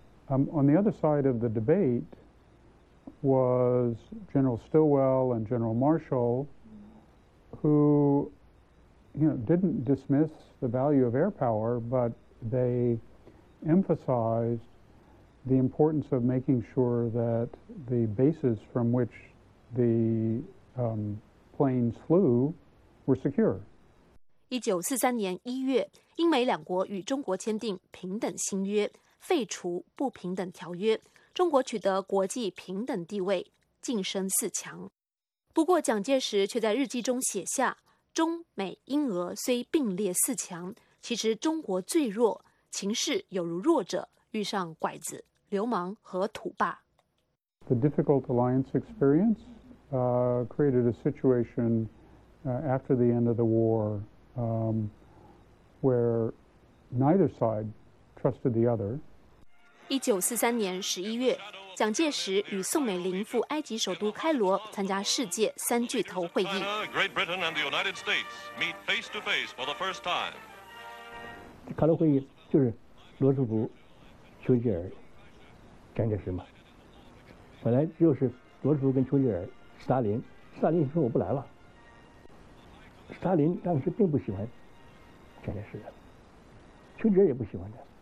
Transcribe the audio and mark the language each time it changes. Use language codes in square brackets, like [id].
[en] On the other side of the debate was General Stilwell and General Marshall, who didn't dismiss the value of air power, but they emphasized the importance of making sure that the bases from which the planes flew. were secure. [zh] 1943年1月，英美两国与中国签订平等新约，废除不平等条约，中国取得国际平等地位，晋升四强。不过，蒋介石却在日记中写下：“中美英俄虽并列四强，其实中国最弱，情势有如弱者遇上拐子、流氓和土霸。” [en] The difficult alliance experience created a situation. After the end of the war, where neither side trusted the other. [zh] 1943年11月，蒋介石与宋美龄赴埃及首都开罗参加世界三巨头会议。 [en] Great Britain and the United States meet face to face for the first time. [zh] 开罗会议就是罗斯福、丘吉尔、蒋介石嘛。本来就是罗斯福跟丘吉尔、斯大林说我不来了。斯大林当时并不喜欢蒋介石的，丘吉尔也不喜欢他。